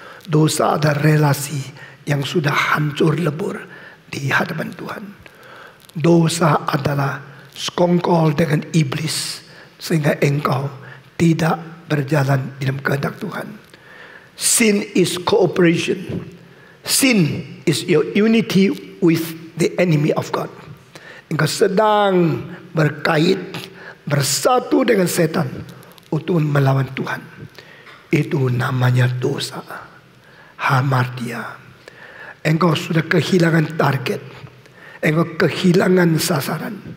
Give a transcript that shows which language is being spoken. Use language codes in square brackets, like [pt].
[id] Dosa adalah relasi yang sudah hancur lebur di hadapan Tuhan. Dosa adalah sekongkol dengan iblis sehingga engkau tidak berjalan dalam kehendak Tuhan. [en] Sin is cooperation. Sin is your unity with the enemy of God. [id] Engkau sedang berkait, bersatu dengan setan untuk melawan Tuhan. Itu namanya dosa. Hamartia. Engkau sudah kehilangan target. Engkau kehilangan sasaran.